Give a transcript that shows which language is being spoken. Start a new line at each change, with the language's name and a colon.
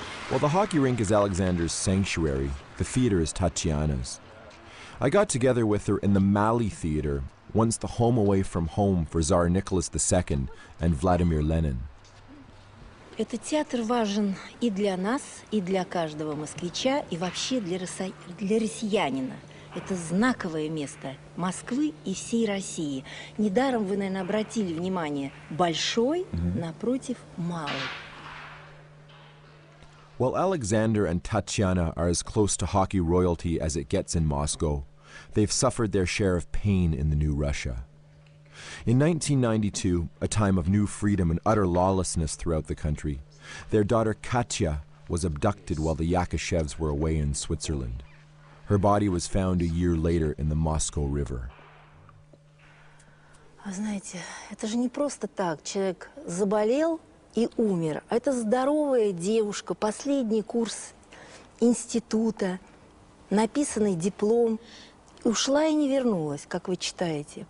English: While the hockey rink is Alexander's sanctuary, the theater is Tatiana's. I got together with her in the Mali Theater, once the home away from home for Tsar Nicholas II and Vladimir Lenin.
Russian: Этот театр важен и для нас, и для каждого москвича, и вообще для россиянина. Это знаковое место Москвы и всей России. Недаром вы, наверное, обратили внимание, большой напротив малый.
English: While Alexander and Tatiana are as close to hockey royalty as it gets in Moscow, they've suffered their share of pain in the new Russia. In 1992, a time of new freedom and utter lawlessness throughout the country, their daughter Katya was abducted while the Yakushevs were away in Switzerland. Her body was found a year later in the Moscow River.
Russian: Вы знаете, это же не просто так. Человек заболел и умер. Это здоровая девушка, последний курс института, написанный диплом. Ушла и не вернулась, как вы читаете.